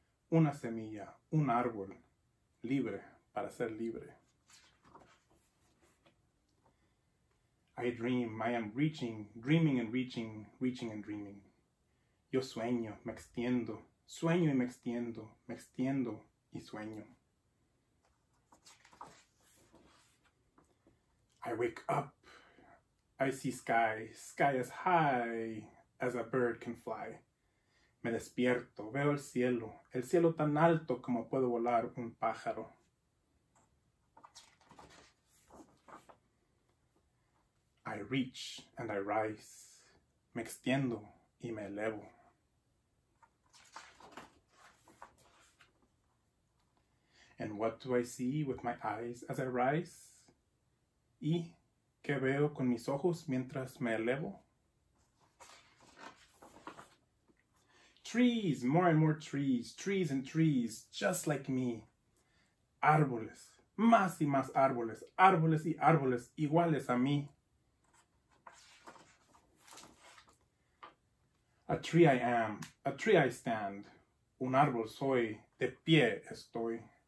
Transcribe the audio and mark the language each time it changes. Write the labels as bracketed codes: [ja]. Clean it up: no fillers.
[es] Una semilla, un árbol, libre para ser libre. [en] I dream, I am reaching, dreaming and reaching, reaching and dreaming. [es] Yo sueño y me extiendo, y sueño. [en] I wake up. I see sky, sky as high as a bird can fly. [es] Me despierto, veo el cielo tan alto como puedo volar un pájaro. [en] I reach and I rise. [es] Me extiendo y me elevo. [en] And what do I see with my eyes as I rise? [es] ¿Y qué veo con mis ojos mientras me elevo? [en] Trees, more and more trees, trees and trees, just like me. [es] Árboles, más y más árboles, árboles y árboles, iguales a mí. [en] A tree I am, a tree I stand, [es] un árbol soy, de pie estoy.